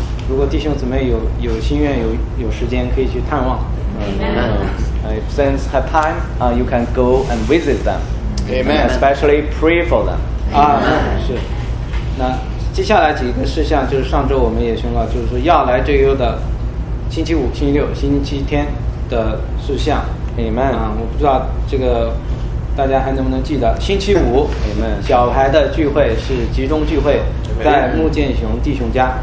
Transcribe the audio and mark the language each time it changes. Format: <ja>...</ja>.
<zh>如果弟兄姊妹有心愿有时间可以去探望。</zh> <en>If friends have time, you can go and visit them. Amen. Especially pray for them. 啊，</en> <zh>是。那接下来几个事项就是上周我们也宣告，就是说要来这周的星期五、星期六、星期天的事项。</zh> <en>Amen.</en> <zh>啊，我不知道这个大家还能不能记得，星期五</zh> <en>Amen.</en> <zh>小孩的聚会是集中聚会，在穆建雄弟兄家。</zh>